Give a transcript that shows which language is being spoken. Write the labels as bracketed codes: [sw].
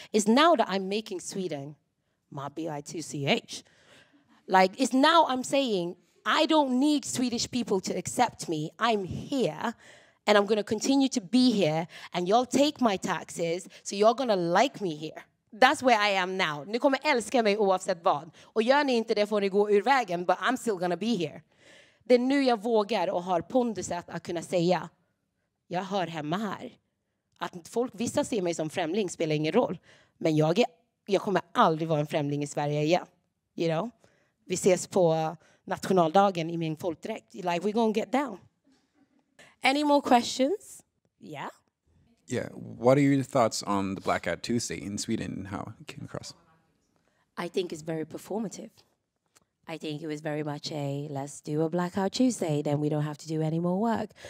[en] It's now that I'm making Sweden my B-I-T-C-H. Like, it's now I'm saying, I don't need Swedish people to accept me. I'm here. And I'm going to continue to be here, and y'all take my taxes, so you're going to like me here. That's where I am now. [sv] Ni kommer älska mig oavsett vad. Och gör ni inte det får ni gå ur vägen, [en] but I'm still going to be here. [sv] Det är nu jag vågar och har pondusat att kunna säga, jag hör hemma här. Att folk, vissa ser mig som främling spelar ingen roll. Men jag kommer aldrig vara en främling I Sverige igen. [en] You know? [sv] Vi ses på nationaldagen I min folkdräkt. [en] Like, we're going to get down. Any more questions? Yeah. Yeah. What are your thoughts on the Blackout Tuesday in Sweden and how it came across? I think it's very performative. I think it was very much a let's do a Blackout Tuesday, then we don't have to do any more work.